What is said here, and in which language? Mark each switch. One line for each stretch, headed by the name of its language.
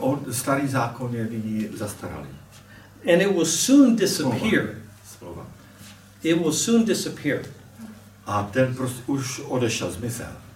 Czech: Starý zákon je nyní zastaralý.
English: And it will soon disappear.
Czech: Slova.
English: It will soon disappear.
Czech: A ten prostě už odešel, zmizel.